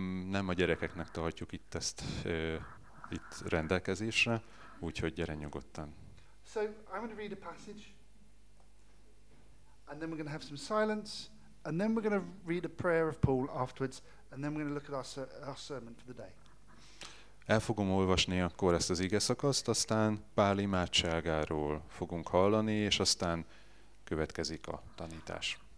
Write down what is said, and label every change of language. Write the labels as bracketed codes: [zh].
[hu] Nem a gyerekeknek tartjuk itt ezt itt rendelkezésre, úgyhogy gyere nyugodtan. [en] So, I'm going to read a passage, and then we're going to have some silence, and then we're going to read a prayer of Paul afterwards, and then we're going to look at our sermon for the day. [hu] El fogom olvasni akkor ezt az igeszakaszt, aztán Pál imádságáról fogunk hallani, és aztán következik a tanítás.